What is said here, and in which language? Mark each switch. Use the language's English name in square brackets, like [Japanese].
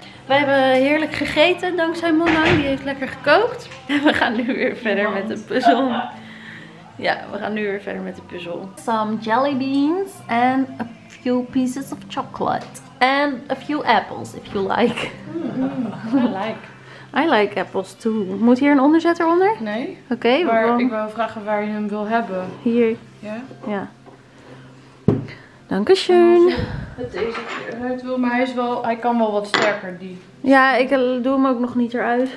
[Dutch] Wij hebben heerlijk gegeten dankzij Monang, die heeft lekker gekookt. En we gaan nu weer verder met de puzzel. Ja, we gaan nu weer verder met de puzzel. [English] Some jelly beans and a few pieces of chocolate. And a few apples, if you like. I like apples too. [Dutch] Moet hier een onderzetter onder? Nee. Oké, okay, waarom? Maar ik wil vragen waar je hem wil hebben. Hier. Ja? Ja. [German] Dankeschön. [Dutch] Het wil, maar hij kan wel wat sterker, die. Ja, ik doe hem ook nog niet eruit.